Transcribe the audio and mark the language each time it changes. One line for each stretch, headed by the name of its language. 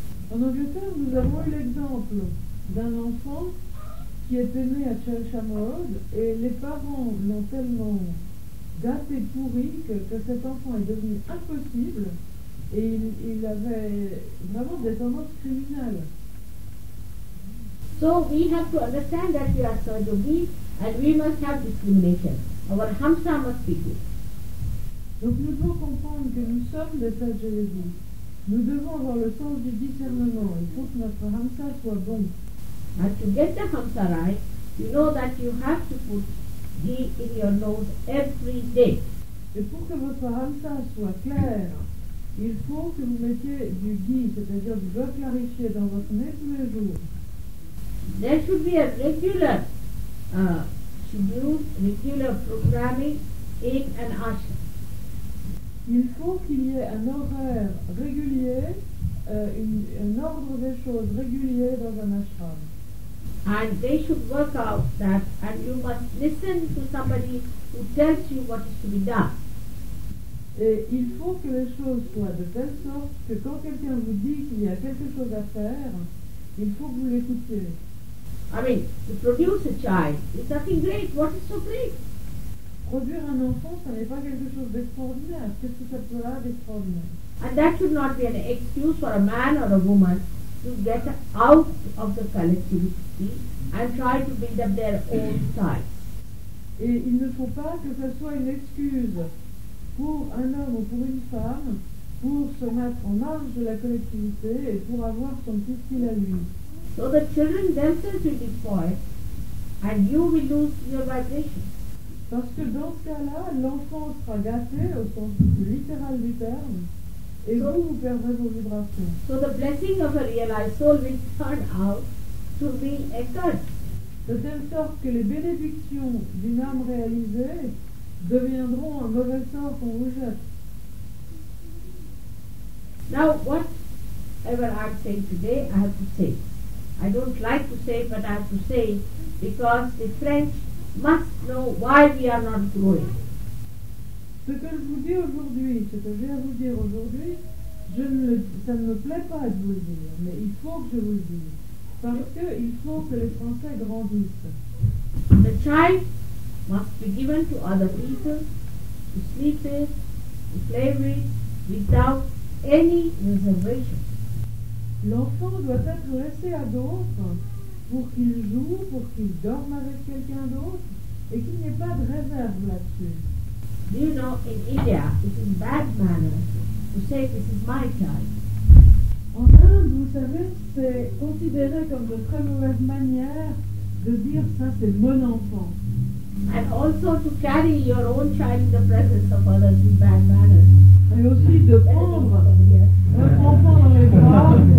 French: En Angleterre, nous avons eu l'exemple d'un enfant qui était né à Chelsham Road, et les parents l'ont tellement gâté, pourri, que cet enfant est devenu impossible, et il avait vraiment des tendances criminelles.
English: So we have to understand that we are sadhu beings and we must have discrimination. Our hamsa must be good.
French: Donc nous devons comprendre que nous sommes des sages yogis. Nous devons avoir le sens du discernement. Il faut que notre hamsa soit bon.
English: And to get the hamsa right, you know that you have to put ghee in your nose every day.
French: Et pour que votre hamsa soit clair, il faut que vous mettiez du ghee, c'est-à-dire du beurre clarifié, dans votre nez tous les jours.
English: There should be a regular schedule, regular programming in an ashram.
French: Il faut qu'il y ait un horaire régulier, un ordre des choses régulier dans un ashram.
English: And they should work out that, and you must listen to somebody who tells you what is to be done.
French: Et il faut que les choses soient de telle sorte que quand quelqu'un vous dit qu'il y a quelque chose à faire, il faut que vous l'écoutiez.
English: I mean, to produce a child is nothing great. What is so great?
French: Produire un enfant, ça n'est pas quelque chose d'extraordinaire. Qu'est-ce que ça peut avoir d'extraordinaire?
English: And that should not be an excuse for a man or a woman to get out of the collectivity and try to build up their own side.
French: Et il ne faut pas que ça soit une excuse pour un homme ou pour une femme pour se mettre en marge de la collectivité et pour avoir son petit style à lui.
English: So the children themselves will destroy and you will lose your vibration.
French: Parce que dans ce cas-là, l'enfant sera gâté au sens littéral du terme et
English: so,
French: vous perdrez vos vibrations.
English: So the blessing of a realized soul will turn out to be a curse.
French: De telle sorte que les bénédictions d'une âme réalisée deviendront un mauvais sort qu'on vous jette.
English: Now, whatever I'm saying today, I have to say. I don't like to say, but I have to say, because the French must know why we are not growing.
French: Ce que je vous dis aujourd'hui, ce que j'ai à vous dire aujourd'hui, ça ne me plaît pas de vous le dire, mais il faut que je vous le dise. Parce qu'il faut que les Français grandissent.
English: The child must be given to other people, to sleep with, to play with, without any reservation.
French: L'enfant doit être laissé à d'autres pour qu'il joue, pour qu'il dorme avec quelqu'un d'autre et qu'il n'y ait pas de réserve là-dessus.
English: Do you know, in India, it is bad manner to say this is my child.
French: En Inde, vous savez, c'est considéré comme de très mauvaise manière de dire ça, c'est mon enfant.
English: And also to carry your own child in the presence of others in bad manners.
French: Et aussi de prendre un enfant dans les bras.